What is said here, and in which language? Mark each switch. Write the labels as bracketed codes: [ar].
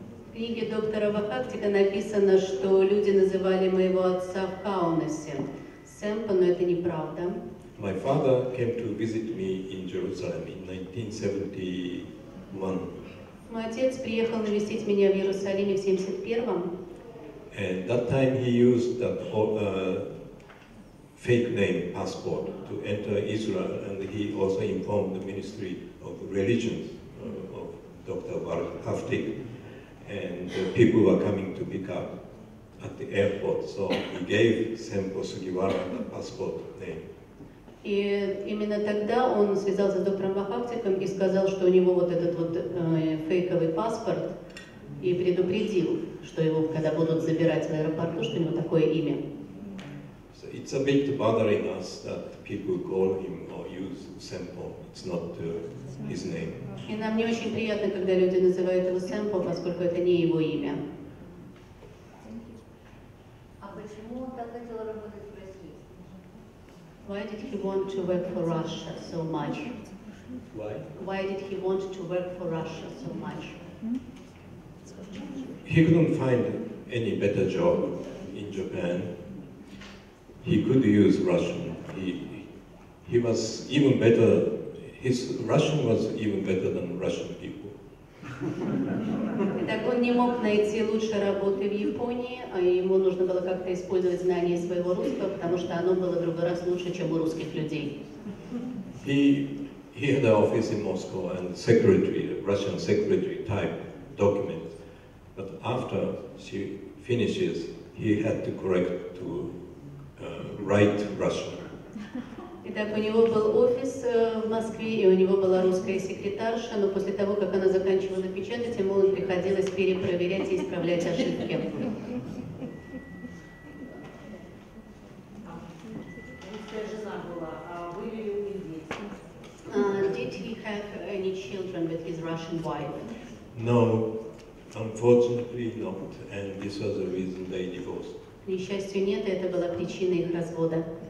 [ru] В книге доктора Вахактика написано, что люди называли моего отца в Каунасе Сэмпо, но это неправда. [en] My father came to visit me in Jerusalem in 1971. [ru] Мой отец приехал навестить меня в Иерусалиме в 71-м. [en] And that time he used the fake name passport to enter Israel, and he also informed the Ministry of Religions of Dr. Barak Haftik, and the people were coming to pick up at the airport, so he gave Senpo Sugiwara the passport name. [ru] И именно тогда он связался с доктором Вахавтиком и сказал, что у него вот этот вот фейковый паспорт, и предупредил, что его, когда будут забирать в аэропорту, что у него такое имя. [en] So it's a bit bothering us that people call him or use Senpo. It's not his name. [ru] И нам не очень приятно, когда люди называют его Senpo, поскольку это не его имя. [en] Why did he want to work for Russia so much? Why? Why did he want to work for Russia so much? He couldn't find any better job in Japan. He could use Russian. He was even better. His Russian was even better than Russian people. [ru] Так он не мог найти лучшей работы в Японии, а ему нужно было как-то использовать знания своего русского, потому что оно было в другой раз лучше, чем у русских людей. [en] He had an office in Moscow and secretary, Russian secretary type documents, but after she finishes, he had to correct to write Russian. [ru] Итак, у него был офис в Москве, и у него была русская секретарша, но после того, как она заканчивала печатать, ему приходилось перепроверять и исправлять ошибки. [en] Did he have any children with his Russian wife? No, unfortunately not, and this was the reason they divorced. [ru] К несчастью, нет, это была причина их развода.